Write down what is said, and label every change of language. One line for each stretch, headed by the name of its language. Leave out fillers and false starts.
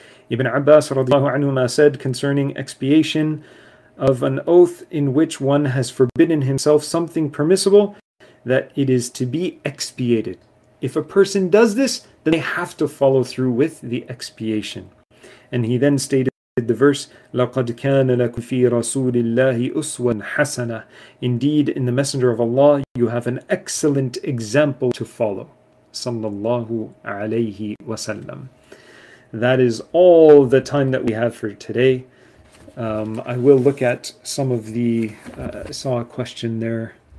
English: Ibn Abbas radiallahu anhuma said concerning expiation of an oath in which one has forbidden himself something permissible, that it is to be expiated. If a person does this, then they have to follow through with the expiation. And he then stated the verse,
Arabic: لَقَدْ كَانَ لَكُمْ فِي رَسُولِ اللَّهِ أُسْوَةٌ حَسَنَةٌ.
English: Indeed, in the Messenger of Allah, you have an excellent example to follow. Sallallahu alayhi wa sallam. That is all the time that we have for today. I will look at some of the... saw a question there.